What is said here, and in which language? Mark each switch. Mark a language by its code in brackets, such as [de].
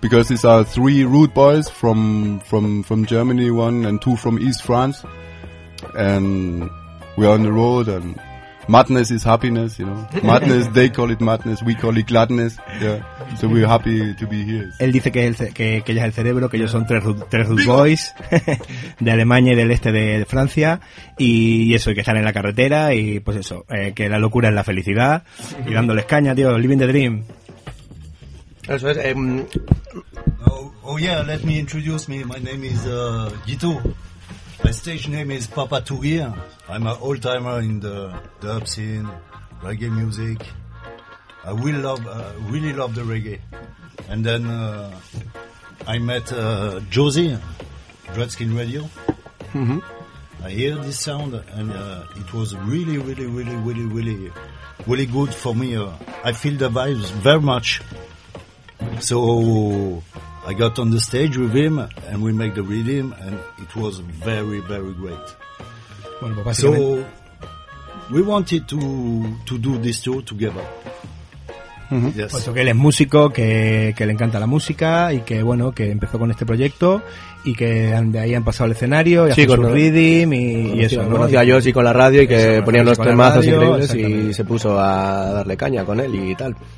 [en] Because these are three rude boys from Germany, one and two from East France, and we are on the road and madness is happiness, you know. Madness, they call it madness, we call it gladness. Yeah. So we're happy to be here. [es] Él dice que el que ella es el cerebro, que ellos son tres rude boys de Alemania y del este de Francia y eso, y que están en la carretera y pues eso, que la locura es la felicidad y dándoles caña, tío, [en] living the dream. [es] Eso es. [en] Oh yeah, let me introduce me. My name is Gitu. My stage name is Papa Tourier. I'm an old timer in the dub scene, reggae music. I really love the reggae. And then I met Josie, Dreadskin Radio. Mm-hmm. I hear this sound, and it was really, really, really, really, really, really good for me. I feel the vibes very much. So I got on the stage with him, and we make the rhythm, and it was very, very great. [es] Bueno, pues [en] so we wanted to do this tour together. Uh-huh. Yes. [es] Puesto que él es músico, que le encanta la música y que bueno, que empezó con este proyecto y que de ahí han pasado al escenario y sí, hace su rhythm y eso, ¿no? Conocí a Josi con la radio y que eso, ponían los temazos increíbles y se puso a darle caña con él y tal.